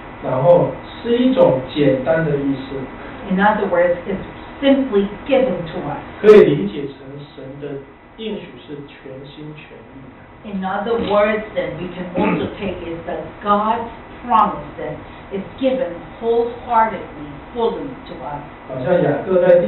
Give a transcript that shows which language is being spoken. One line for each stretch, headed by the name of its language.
Chinese: 然后是一种简单的意思。
English: In other words, it's simply given to us.
Chinese: 可以理解成神的应许是全心全意的。
English: In other words, then, we can also take it that God's promise that is given wholeheartedly, fully to us.